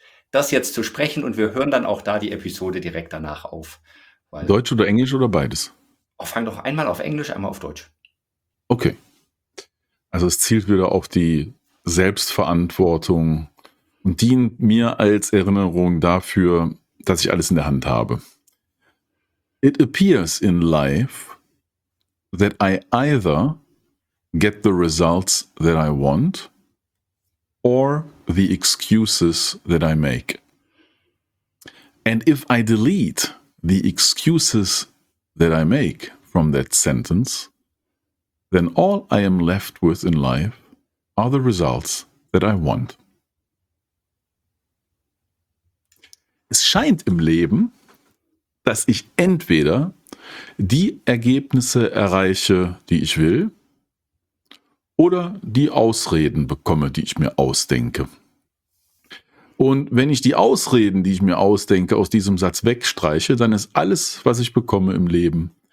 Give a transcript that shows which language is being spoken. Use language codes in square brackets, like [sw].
[de] das jetzt zu sprechen und wir hören dann auch da die Episode direkt danach auf. Weil Deutsch oder Englisch oder beides? Fang doch einmal auf Englisch, einmal auf Deutsch. Okay. Also es zielt wieder auf die Selbstverantwortung und dient mir als Erinnerung dafür, dass ich alles in der Hand habe. [en] It appears in life that I either get the results that I want or the excuses that I make. And if I delete the excuses that I make from that sentence, then all I am left with in life are the results that I want. [de] Es scheint im Leben, dass ich entweder die Ergebnisse erreiche, die ich will, oder die Ausreden bekomme, die ich mir ausdenke. Und wenn ich die Ausreden, die ich mir ausdenke, aus diesem Satz wegstreiche, dann ist alles, was ich bekomme im Leben,